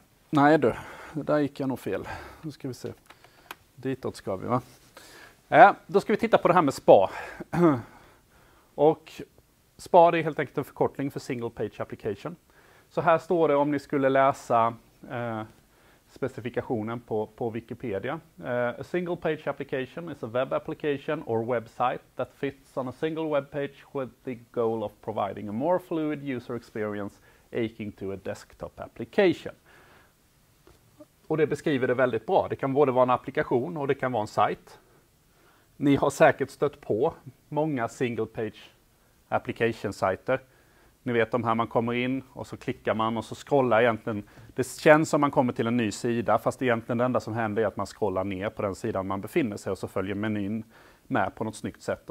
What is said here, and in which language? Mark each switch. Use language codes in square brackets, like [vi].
[sv] Nej du, det där gick jag nog fel. Nu ska vi se. Ditåt ska vi, va? Då ska vi titta på det här med SPA. Och SPA är helt enkelt en förkortning för Single Page Application. Så här står det om ni skulle läsa specifikationen på Wikipedia. [en] A single page application is a web application or website that fits on a single web page with the goal of providing a more fluid user experience akin to a desktop application. [sv] Och det beskriver det väldigt bra. Det kan både vara en applikation och det kan vara en sajt. Ni har säkert stött på många single page application-sajter. Ni vet de här man kommer in och så klickar man och så scrollar egentligen. Det känns som man kommer till en ny sida, fast egentligen det enda som händer är att man scrollar ner på den sidan man befinner sig och så följer menyn med på något snyggt sätt.